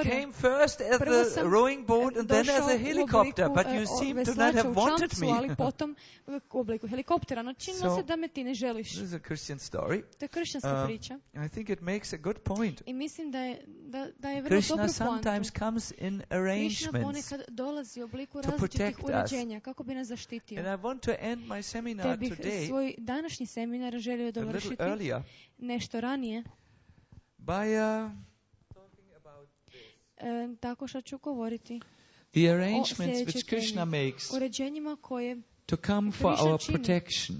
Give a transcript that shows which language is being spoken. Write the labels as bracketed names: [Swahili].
[English] I came first as a rowing boat and then as a helicopter, but you seem to not have wanted me. [Croatian] Ali potom u obliku helikoptera, no činilo se da me ti ne želiš. [English] This is a Christian story. [Croatian] To je kršćanska priča. [English] And I think it makes a good point. [Croatian] I mislim da je vrlo dobro. [English] Krishna sometimes comes in arrangements. [Croatian] Krishna ponekad dolazi u obliku različitih uređenja kako bi nas zaštitio. [English] And I want to end my seminar today. [Croatian] Da bih svoj današnji seminar želio dovršiti. [English] Earlier, [Croatian] nešto ranije. [English] By [Croatian] tako što ću govoriti. [English] The arrangements which Krishna makes. [Croatian] Uređenjima koje [English] to come for our protection.